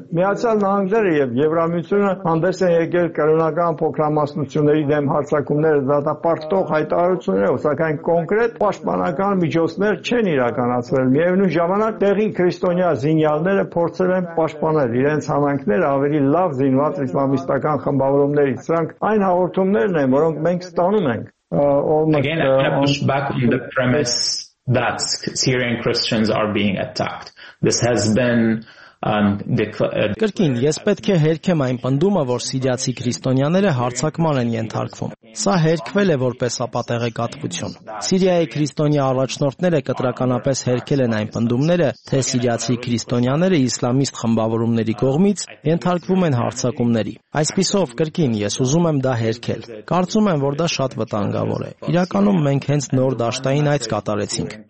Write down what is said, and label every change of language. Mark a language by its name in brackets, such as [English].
[Armenian] Միացյալ Նահանգները եւ Եվրամիությունը հանդես են եկել կրոնական փոքրամասնությունների դեմ հարձակումները դատապարտող հայտարարություններով, սակայն կոնկրետ պաշտպանական միջոցներ չեն իրականացվել։ Միևնույն ժամանակ տեղի քրիստոնյա զինյալները փորձել են պաշտպանել իրենց համայնքները ավելի լավ զինված իսլամիստական խմբավորումներից։ Սրանք այն հաղորդումներն են, որոնք մենք [English] Again, I'm going to push back on the premise that Syrian Christians are being attacked. This has been [Armenian] Կրկին, ես պետք է հերքեմ այն պնդումը, որ սիրիացի քրիստոնյաները հարձակման են ենթարկվում։ Սա հերքվել է որպես ապատեղ եկատվություն։ Սիրիայի քրիստոնյա առաջնորդները կտրականապես հերքել են այն պնդումները, թե սիրիացի քրիստոնյաները իսլամիստ խմբավորումների կողմից ենթարկվում են հարձակումների։ Այսպիսով, կրկին, ես ուզում եմ դա հերքել։ Կարծում եմ, որ դա շատ վտանգավոր է։ Իրականում մենք հենց նոր դաշտային այց կատարեցինք,